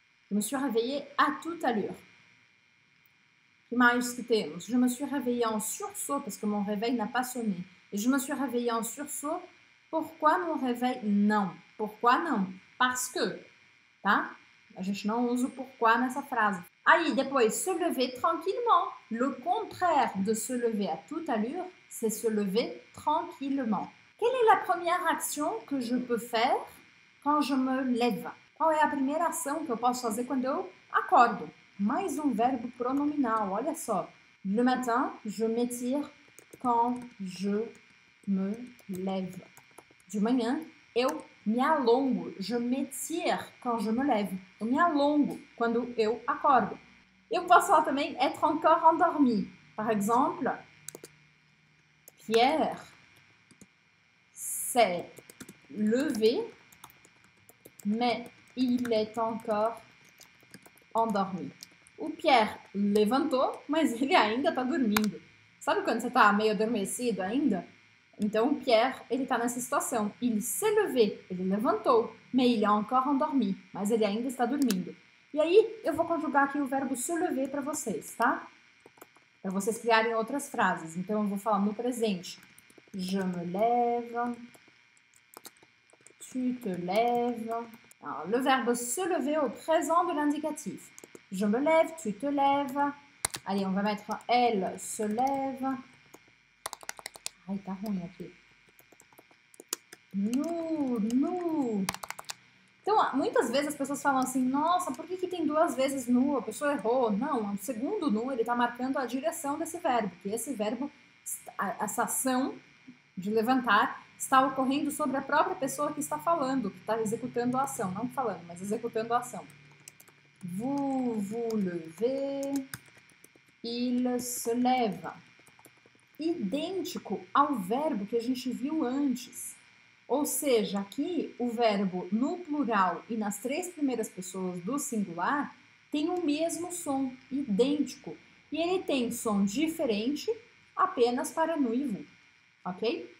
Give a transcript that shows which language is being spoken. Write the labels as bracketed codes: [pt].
[fr] Je me suis réveillé à toute allure. [pt] O que mais que temos? [fr] Je me suis réveillé en sursaut, parce que mon réveil n'a pas sonné. Et je me suis réveillé en sursaut. Pourquoi mon réveil? [pt] Não. [fr] Pourquoi não? Parce que, tá? [pt] A gente não usa o pourquoi nessa frase. Aí, depois, [fr] se lever tranquillement. Le contraire de se lever à toute allure, c'est se lever tranquillement. Quelle est la première action que je peux faire quand je me lève? [pt] Qual é a primeira ação que eu posso fazer quando eu acordo? Mais um verbo pronominal, olha só. [fr] Le matin, je m'étire quand je me lève. [pt] De manhã, eu me alongo, [fr] je m'étire quand je me lève. [pt] Eu me alongo quando eu acordo. Eu posso falar também [fr] être encore endormi. Par exemple, Pierre s'est levé, mais il est encore endormi. [pt] O Pierre levantou, mas ele ainda está dormindo. Sabe quando você está meio adormecido ainda? Então, o Pierre, ele está nessa situação. [fr] Il s'est levé, [pt] ele levantou, [fr] mais il a encore endormi, [pt] mas ele ainda está dormindo. E aí, eu vou conjugar aqui o verbo se lever para vocês, tá? Para vocês criarem outras frases. Então, eu vou falar no presente. [fr] Je me lève. Tu te lèves. Alors, le verbe se lever au présent de l'indicatif. Je me lève, tu te lèves. Allez, on va mettre elle se lève. [pt] Ai, tá ruim aqui. Nu, nu. Então, muitas vezes as pessoas falam assim, nossa, por que que tem duas vezes nu? A pessoa errou. Não, o segundo nu, ele tá marcando a direção desse verbo, que esse verbo, essa ação de levantar, está ocorrendo sobre a própria pessoa que está falando, que está executando a ação. Não falando, mas executando a ação. [fr] Vous vous levez, il se lève. [pt] Idêntico ao verbo que a gente viu antes. Ou seja, aqui o verbo no plural e nas três primeiras pessoas do singular tem o mesmo som, idêntico. E ele tem som diferente apenas para nu e vu. Ok?